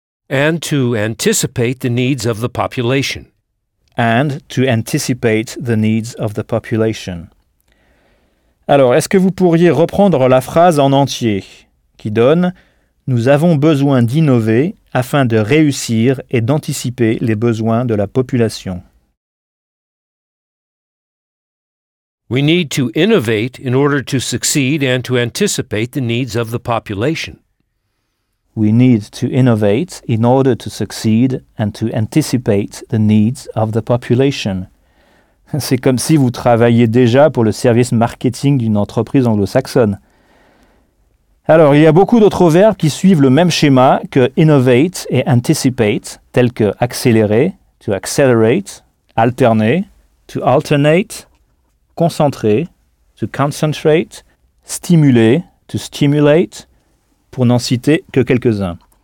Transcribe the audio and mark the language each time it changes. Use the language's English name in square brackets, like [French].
[English] And to anticipate the needs of the population. And to anticipate the needs of the population. [French] Alors, est-ce que vous pourriez reprendre la phrase en entier, qui donne « Nous avons besoin d'innover afin de réussir et d'anticiper les besoins de la population. » [English] We need to innovate in order to succeed and to anticipate the needs of the population. We need to innovate in order to succeed and to anticipate the needs of the population. [French] C'est comme si vous travailliez déjà pour le service marketing d'une entreprise anglo-saxonne. Alors, il y a beaucoup d'autres verbes qui suivent le même schéma que innovate et anticipate, tels que accélérer, to accelerate, alterner, to alternate, concentrer, to concentrate, stimuler, to stimulate, pour n'en citer que quelques-uns.